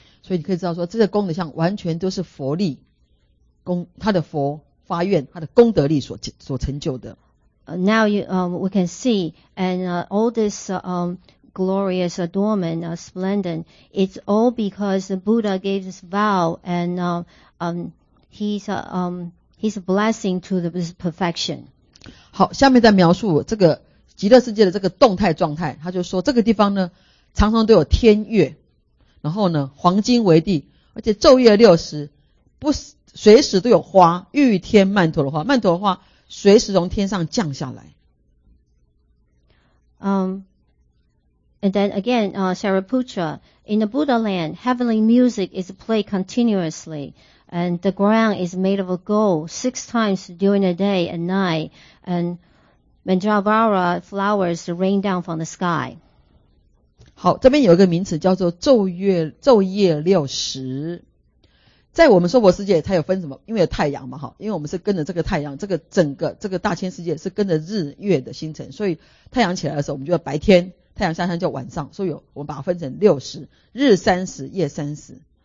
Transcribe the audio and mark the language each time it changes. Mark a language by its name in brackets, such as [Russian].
[Chinese] 所以你可以知道说，这个功德相完全都是佛力，功他的佛。发愿他的功德力所成就的。 [English] Now you, we can see, and all this glorious adornment, splendid, it's all because the Buddha gave this vow, and he's blessing to this perfection. [Chinese] 好，下面再描述这个极乐世界的这个动态状态，他就说这个地方呢常常都有天月，然后呢黄金为地，而且昼夜六时不随时都有花，玉天曼陀罗花，曼陀罗花随时从天上降下来。 [English] And then again, Sariputra, in the Buddha land, heavenly music is played continuously, and the ground is made of gold 6 times during the day and night, and Manjavara flowers rain down from the sky. [Chinese] 好，这边有一个名词叫做昼夜六时。在我们娑婆世界它有分什么，因为有太阳嘛，因为我们是跟着这个太阳，这个整个这个大千世界是跟着日月的星辰，所以太阳起来的时候我们就叫白天，太阳下山叫晚上，所以我们把它分成六时，日三时夜三时。